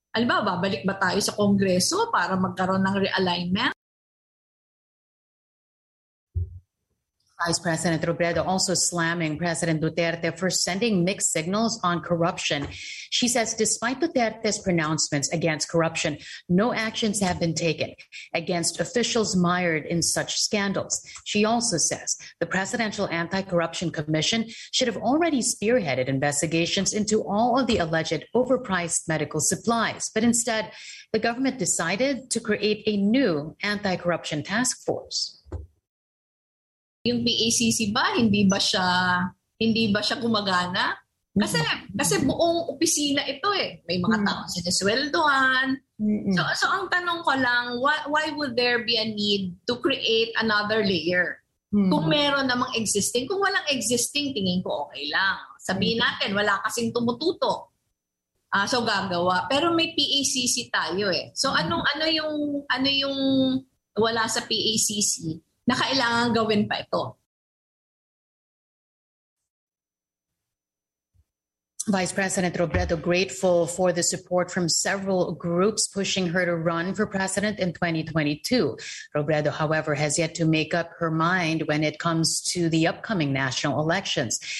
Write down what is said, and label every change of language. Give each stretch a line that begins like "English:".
Filipino: Alba, babalik ba tayo sa Kongreso para magkaroon ng realignment?
English: Vice President Robredo also slamming President Duterte for sending mixed signals on corruption. She says despite Duterte's pronouncements against corruption, no actions have been taken against officials mired in such scandals. She also says the Presidential Anti-Corruption Commission should have already spearheaded investigations into all of the alleged overpriced medical supplies. But instead, the government decided to create a new anti-corruption task force.
Filipino: Yung PACC ba, hindi ba siya gumagana? Kasi buong opisina ito eh. May mga taong sinisweldoan. So ang tanong ko lang,
English: why would there be a need to create another layer?
Filipino: Mm-hmm. Kung meron namang existing, kung walang existing, tingin ko okay lang. Sabihin natin, wala kasing tumututo. So gagawa. Pero may PACC tayo eh. So ano yung wala sa PACC na kailangan gawin pa ito?
English: Vice President Robredo grateful for the support from several groups pushing her to run for president in 2022. Robredo, however, has yet to make up her mind when it comes to the upcoming national elections.